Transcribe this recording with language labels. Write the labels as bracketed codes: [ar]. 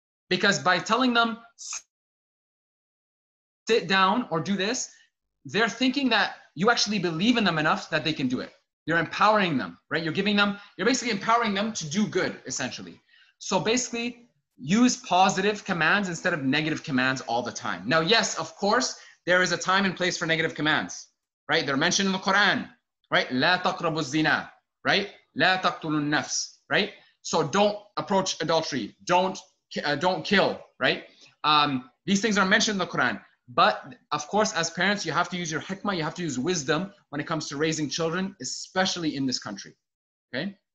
[en] Because by telling them, sit down or do this, they're thinking that you actually believe in them enough that they can do it. You're empowering them, right? You're giving them, you're basically empowering them to do good, essentially. So basically, use positive commands instead of negative commands all the time. Now, yes, of course, there is a time and place for negative commands, right? They're mentioned in the Quran, right? [ar] لا تقربوا الزنا, right? لا تقتلوا النفس, right? [en] So don't approach adultery. Don't kill, right? These things are mentioned in the Quran. But of course, as parents, you have to use your hikmah, you have to use wisdom when it comes to raising children, especially in this country, okay?